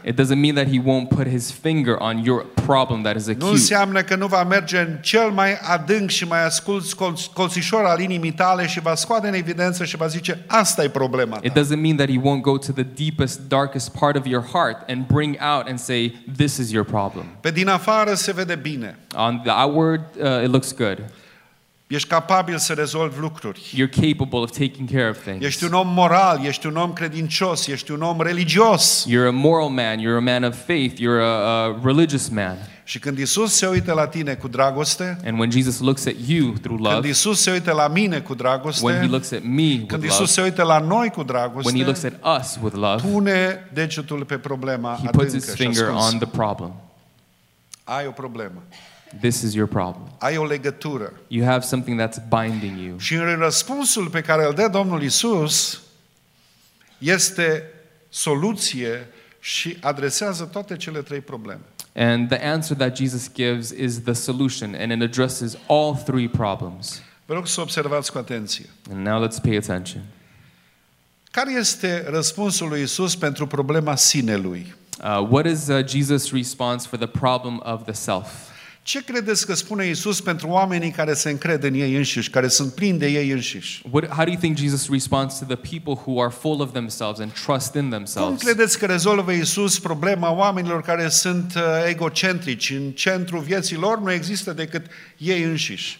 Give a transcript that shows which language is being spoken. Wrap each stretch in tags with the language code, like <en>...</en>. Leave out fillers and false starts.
<en>It doesn't mean that he won't put his finger on your problem that is acute.</en> <ro>Nu înseamnă că nu va merge în cel mai adânc și mai ascuns colțișor al inimii tale și va scoate în evidență și va zice, asta e problema ta.</ro> <en>It doesn't mean that he won't go to the deepest, darkest part of your heart and bring out and say, this is your problem.</en> <ro>Pe din afară se vede bine.</ro> <en>On the outward, it looks good.</en> <ro>Ești capabil să rezolvi lucruri.</ro> <en>You're capable of taking care of things.</en> <ro>Ești un om moral, ești un om credincios, ești un om religios.</ro> <en>You're a moral man, you're a man of faith, you're a religious man.</en> <ro>Și când Iisus se uită la tine cu dragoste,</ro> <en>and when Jesus looks at you through love,</en> <ro>când Iisus se uită la mine cu dragoste,</ro> <en>when he looks at me with love,</en> <ro>când Iisus se uită la noi cu dragoste,</ro> <en>when he looks at us with love,</en> <ro>pune degetul pe problema adâncă și ascunsă.</ro> <en>He puts his finger on the problem.</en> <ro>Ai o problemă.</ro> <en>This is your problem.</en> <ro>Ai o legătură.</ro> <en>You have something that's binding you.</en> <ro>Și în răspunsul pe care îl dă Domnul Iisus este soluție și adresează toate cele trei probleme.</ro> <en>And the answer that Jesus gives is the solution, and it addresses all three problems.</en> <ro>Vă rog să observați cu atenție.</ro> <en>And now let's pay attention.</en> <ro>Care este răspunsul lui Iisus pentru problema sinelui?</ro> <en>What is Jesus' response for the problem of the self?</en> <ro>Ce credeți că spune Iisus pentru oamenii care se încred în ei înșiși, care sunt plini de ei înșiși?</ro> <en>How do you think Jesus responds to the people who are full of themselves and trust in themselves?</en> <ro>Cum credeți că rezolvă Iisus problema oamenilor care sunt egocentrici? În centru vieții lor nu există decât ei înșiși.</ro>